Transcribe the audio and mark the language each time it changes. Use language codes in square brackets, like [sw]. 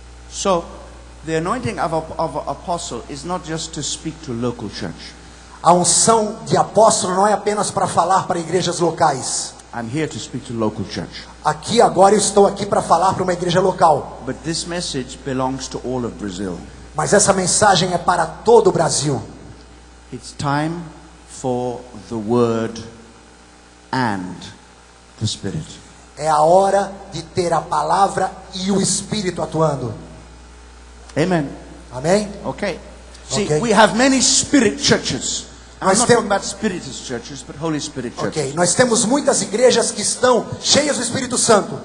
[en] So, the anointing of an apostle is not just to speak to local church. [pt] A unção de apóstolo não é apenas para falar para igrejas locais. [en] I'm here to speak to local church. [pt] Aqui agora eu estou aqui para falar para uma igreja local. [en] But this message belongs to all of Brazil. [pt] Mas essa mensagem é para todo o Brasil. [en] It's time for the word and the spirit. [pt] É a hora de ter a palavra e o espírito atuando. [en] Amen. [pt] Amém. [en] Okay. See, okay. We have many spirit churches. I'm not talking about spiritist churches, but Holy Spirit churches. [pt] Okay, nós temos muitas igrejas que estão cheias do Espírito Santo.